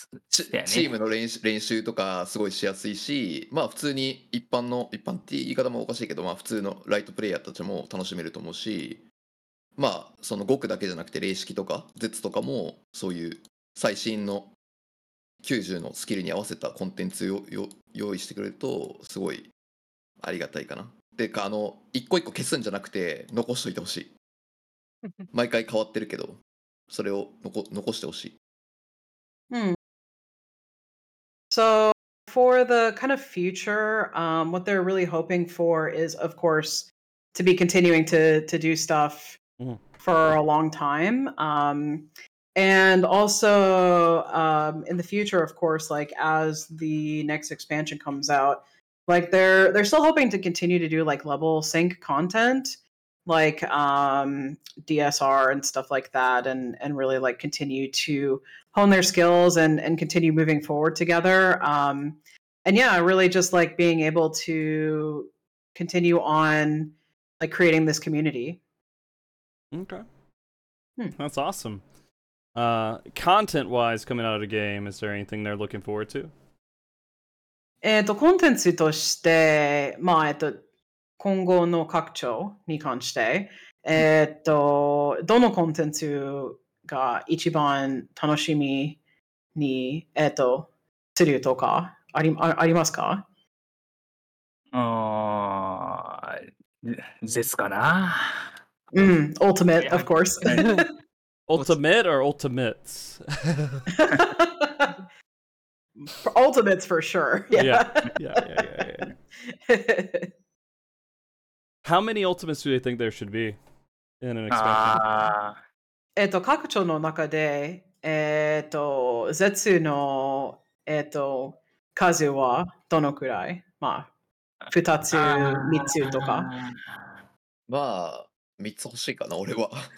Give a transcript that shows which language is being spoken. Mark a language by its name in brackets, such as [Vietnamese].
[Japanese] チームの練習とかすごいしやすいし、まあ普通に一般って言い方もおかしいけど、まあ普通のライトプレイヤーたちも楽しめると思うし、まあその極だけじゃなくて、霊式とか、絶とかも、そういう最新の90のスキルに合わせたコンテンツを用意してくれるとすごいありがたいかな。てか、あの一個一個消すんじゃなくて残しといてほしい。毎回変わってるけど、それを残してほしい。 [English] So for the kind of future, what they're really hoping for is, of course, to be continuing to do stuff for a long time. And also, in the future, of course, like as the next expansion comes out, like they're still hoping to continue to do like level sync content, like DSR and stuff like that, and really like continue to hone their skills and continue moving forward together. And yeah, really just like being able to continue on like creating this community. Okay. That's awesome. Content-wise, coming out of the game, is there anything they're looking forward to? [Japanese] コンテンツとして、まあ、今後の拡張に関して、どのコンテンツが一番楽しみに、するとかありますか？ゼスかな。 [English] うん、ultimate of course. ultimate or ultimates? ultimates for sure. Yeah. Yeah. How many ultimates do they think there should be in an expansion? [Japanese] 拡張の中で、ゼツの、数はどのくらい？まあ、2つ、3つとか。まあ、3つ欲しいかな、俺は。